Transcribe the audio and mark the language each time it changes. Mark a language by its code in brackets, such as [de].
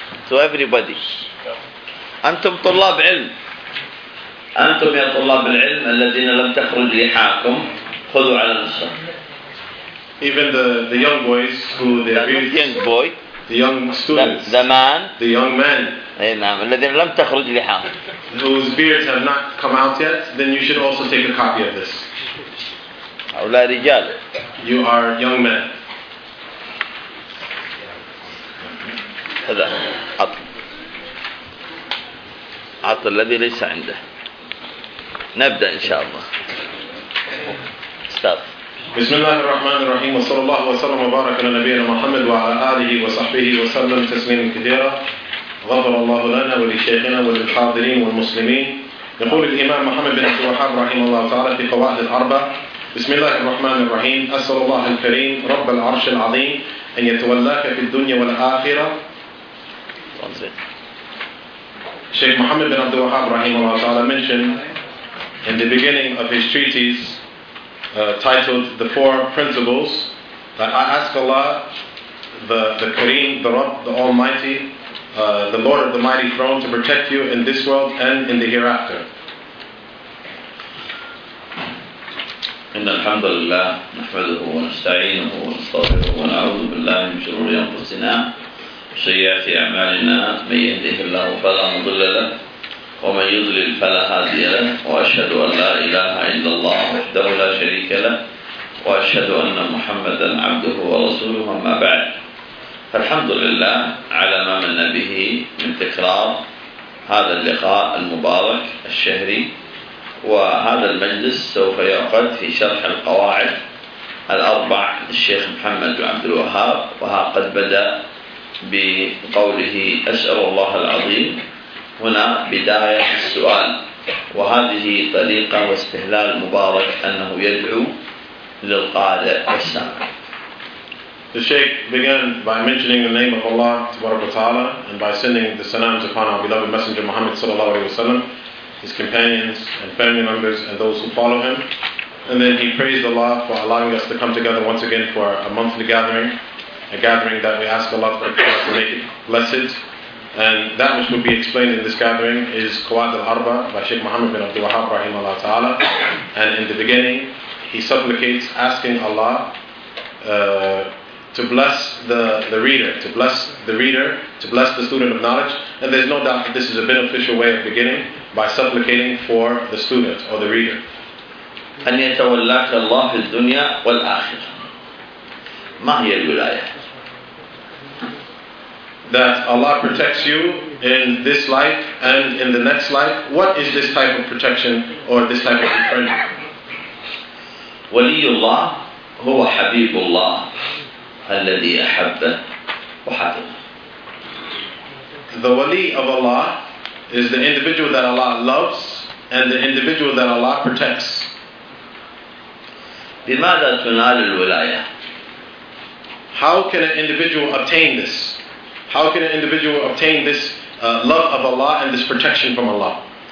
[en] So everybody, [ar] أنتم طلاب علم, أنتم يا طلاب العلم الذين لم تخرج لحاكم, خذوا على نفسكم. [en] Even the young boys who they are really young boy, the young students, the young man. [ar] أي نعم, الذين لم تخرج لحاهم. [en] Whose beards have not come out yet, then you should also take a copy of this. [ar] هؤلاء رجال. [en] You are young men. [ar] هذا عط. عط الذي ليس عنده. نبدأ إن شاء الله. [en] Start. [ar] بسم الله الرحمن الرحيم, وصلى الله وسلم وبارك على نبينا محمد وعلى آله وصحبه وسلم تسليما كثيرا. غفر الله لنا ولشيخنا وللحاضرين والمسلمين. يقول الإمام محمد بن عبد الوهاب رحمه الله تعالى في قواعد الأربع, بسم الله الرحمن الرحيم, أسأل الله الكريم رب العرش العظيم أن يتولاك في الدنيا والآخرة. شيخ محمد بن عبد الوهاب رحمه الله تعالى [en] mentioned in the beginning of his treatise titled The Four Principles that I ask Allah, the Kareem, the Rabb, the Almighty, the Lord of the Mighty Throne, to protect you in this world and in the hereafter. [ar] إن الحمد لله نحمده ونستعينه ونستغفره ونعوذ بالله من شرور أنفسنا وسيئات أعمالنا, من يهده الله فلا مضل له ومن يضلل فلا هادي له, وأشهد أن لا إله إلا الله وحده لا شريك له, وأشهد أن محمدا عبده ورسوله, أما بعد. فالحمد لله على ما من به من تكرار هذا اللقاء المبارك الشهري, وهذا المجلس سوف يعقد في شرح القواعد الأربع للشيخ محمد بن عبد الوهاب, وها قد بدأ بقوله أسأل الله العظيم, هنا بداية السؤال, وهذه طريقة واستهلال مبارك أنه يدعو للقارئ السامع. [en] The Shaykh began by mentioning the name of Allah subhanahu wa ta'ala and by sending the salams upon our beloved Messenger Muhammad sallallahu alayhi wa sallam, his companions and family members and those who follow him. And then he praised Allah for allowing us to come together once again for a monthly gathering, a gathering that we ask Allah to make it blessed. And that which will be explained in this gathering is Qawaid al-Arba by Shaykh Muhammad bin Abdul Wahhab rahimahullah ta'ala. And in the beginning, he supplicates asking Allah to bless the reader, to bless the reader, to bless the student of knowledge. And there's no doubt that this is a beneficial way of beginning by supplicating for the student or the reader. [ar] أن يتولاك الله في الدنيا والآخرة. ما هي الولاية؟ [en] That Allah protects you in this life and in the next life. What is this type of protection or this type of friendship? [ar] ولي الله هو حبيب الله الذي أحبه وحبه. [en] The wali of Allah is the individual that Allah loves and the individual that Allah protects. [ar] بماذا تنال الولاية؟ [en] How can an individual obtain this? How can an individual obtain this love of Allah and this protection from Allah?